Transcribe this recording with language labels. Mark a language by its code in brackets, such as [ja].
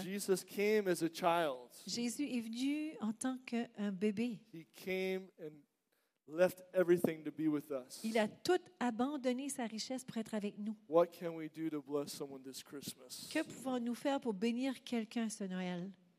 [en] Jesus came as a child. [fr] Jésus est venu en tant qu'un bébé. [en] He came and left everything to be with us. [fr] Il a tout abandonné sa richesse pour être avec nous. [en] What can we do to bless someone this Christmas? [fr] Que pouvons-nous faire pour bénir quelqu'un ce Noël?